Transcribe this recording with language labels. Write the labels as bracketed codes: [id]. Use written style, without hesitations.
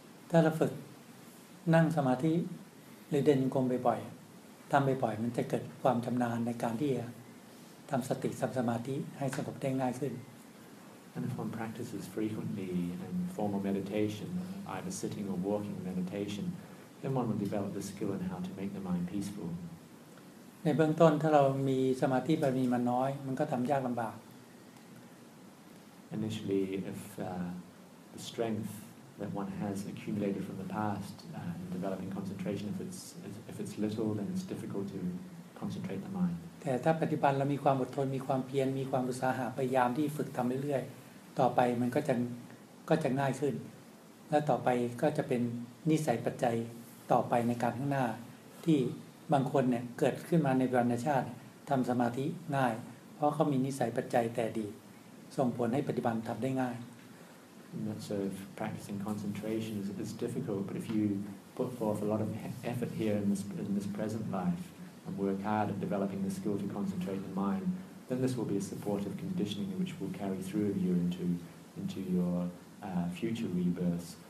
[th] ถ้าเราฝึกนั่งสมาธิหรือเดินโยมบ่อยทำไปบ่อยมันจะเกิดความชำนาญในการที่จะทำสติสมาธิให้สงบได้ง่ายขึ้น [en] And if one practices frequently in formal meditation, either sitting or walking meditation, then one will develop the skill in how to make the mind peaceful. [th] ในเบื้องต้นถ้าเรามีสมาธิบารมีมันน้อยมันก็ทำยากลำบาก [en] Initially, if the strength that one has accumulated from the past in developing concentration, if it's little, then it's difficult to concentrate the mind. [th] แต่ถ้าปัจจุบันเรามีความอดทนมีความเพียรมีความอุตสาหะพยายามที่ฝึกทำเรื่อยๆต่อไปมันก็จะง่ายขึ้นและต่อไปก็จะเป็นนิสัยปัจจัยต่อไปในการข้างหน้าที่บางคนเนี่ยเกิดขึ้นมาในวรรณชาติทำสมาธิง่ายเพราะเขามีนิสัยปัจจัยแต่ดีส่งผลให้ปฏิบัติทำได้ง่าย [en] So practicing concentration is difficult, but if you put forth a lot of effort here in this present life and work hard at developing the skill to concentrate the mind, then this will be a supportive conditioning which will carry through you into your future rebirths.